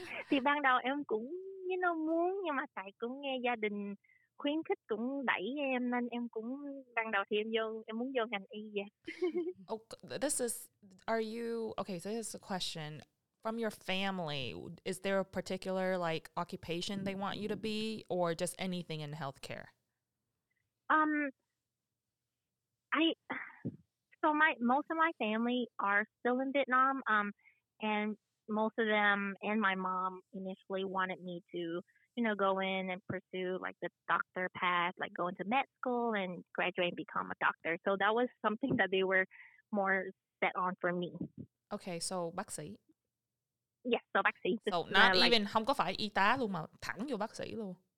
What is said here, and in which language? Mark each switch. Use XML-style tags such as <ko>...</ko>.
<vi>Thì ban đầu em cũng như nó muốn, nhưng mà tại cũng nghe gia đình khuyến khích cũng đẩy em, nên em cũng ban đầu thì em muốn vô ngành y.</vi> <en>So this is a question. From your family, is there a particular like occupation they want you to be, or just anything in healthcare? Most of my family are still in Vietnam, and most of them and my mom initially wanted me to, you know, go in and pursue like the doctor path, like go into med school and graduate and become a doctor. So that was something that they were more set on for me. Okay, so bác sĩ. Yeah, so bác sĩ. So not even, like,</en> <vi>không có phải y tá luôn mà thẳng vô bác sĩ luôn.</vi>